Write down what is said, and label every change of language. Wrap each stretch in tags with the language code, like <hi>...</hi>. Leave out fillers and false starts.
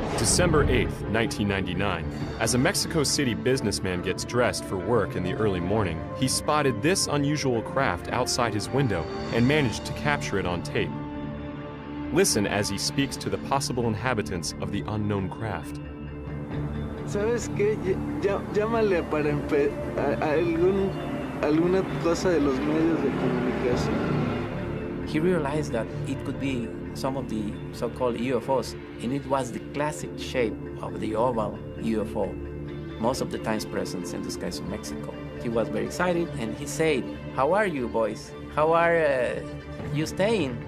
<en>December 8, 1999, as a Mexico City businessman gets dressed for work in the early morning, he spotted this unusual craft outside his window and managed to capture it on tape. Listen as he speaks to the possible inhabitants of the unknown craft.</en> <es>¿Sabes qué? Llámale para alguna cosa de los medios de comunicación.</es> <en>He realized that it could be some of the so-called UFOs, and it was the classic shape of the oval UFO, most of the times present in the skies of Mexico. He was very excited, and he said, "How are you, boys? How are you staying?</en>